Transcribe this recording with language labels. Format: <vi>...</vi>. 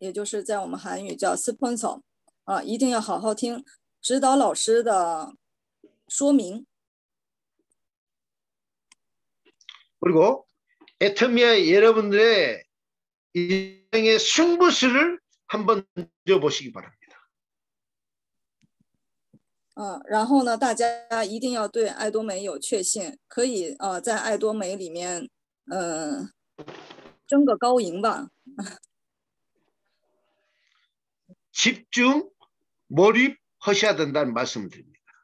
<zh>那首先呢，就一定是要好好的听给大家介绍爱多美的大家的指导老师，也就是在我们韩语叫 sponsor 一定要好好听指导老师的说明。</zh> <ko>그리고 애터미아 여러분들의 인생의 승부수를 한번 보시기 바랍니다.</ko> <zh>然后呢，大家一定要对爱多美有确信，可以在爱多美里面，争个高赢吧。</zh> <ko>집중 몰입하셔야 된다는 말씀을 드립니다.</ko>